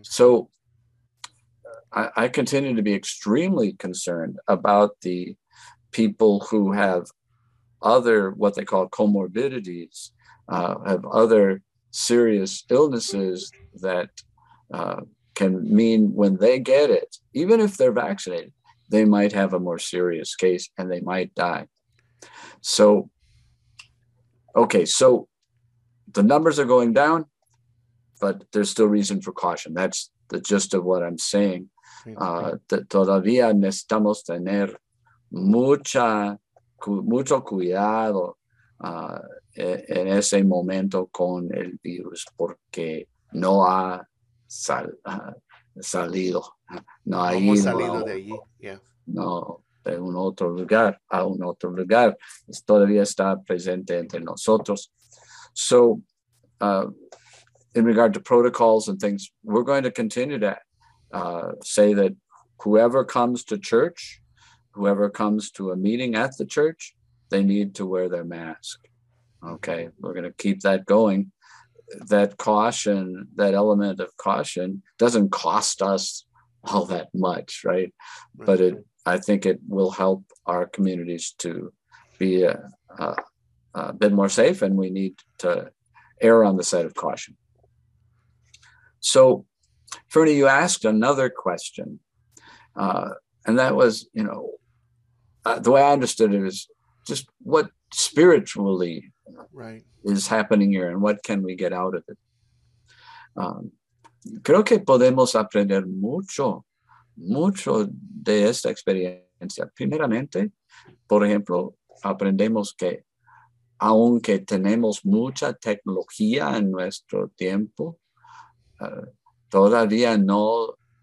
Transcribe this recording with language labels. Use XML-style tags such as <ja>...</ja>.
<en>So I continue to be extremely concerned about the people who have other, what they call comorbidities, have other serious illnesses that can mean when they get it, even if they're vaccinated, they might have a more serious case and they might die. So, okay, so the numbers are going down, but there's still reason for caution. That's the gist of what I'm saying.</en> <es>Todavía necesitamos tener mucho cuidado en ese momento con el virus, porque no ha salido. No ha ido salido de allí. No, de un otro lugar a un otro lugar. Todavía está presente entre nosotros.</es> <en>So, in regard to protocols and things, we're going to continue to say that whoever comes to church, whoever comes to a meeting at the church, they need to wear their mask. Okay, we're going to keep that going. That caution, that element of caution, doesn't cost us all that much, right? But it, I think it will help our communities to be a bit more safe, and we need to err on the side of caution. So, Fernie, you asked another question, and that was, you know, the way I understood it is just what spiritually is happening here, and what can we get out of it?</en> <es>Creo que podemos aprender mucho, mucho de esta experiencia. Primeramente, por ejemplo, aprendemos que aunque tenemos mucha tecnología en nuestro tiempo, todavía no</es>